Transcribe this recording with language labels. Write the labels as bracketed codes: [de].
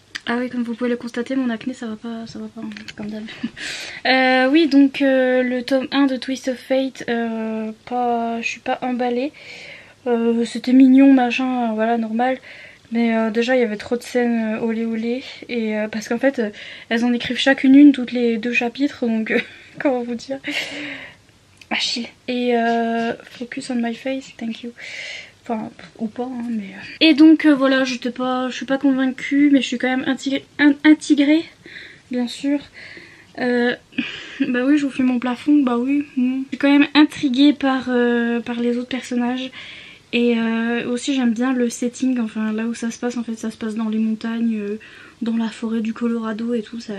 [fr] Ah oui, comme vous pouvez le constater, mon acné, ça va pas, comme d'hab. Oui, donc le tome 1 de Twist of Fate, je suis pas emballée. C'était mignon, machin, voilà, normal. Mais déjà, il y avait trop de scènes olé olé. Et, parce qu'en fait, elles en écrivent chacune une, toutes les deux chapitres, donc comment vous dire. Achille. [en] Et focus on my face, thank you. [fr] Enfin, ou pas, hein, mais... Et donc voilà, je suis pas convaincue, mais je suis quand même intégrée, bien sûr. Bah oui, je vous fais mon plafond, bah oui. Je suis quand même intriguée par les autres personnages. Et aussi, j'aime bien le setting, enfin, là où ça se passe, en fait, ça se passe dans les montagnes, dans la forêt du Colorado et tout.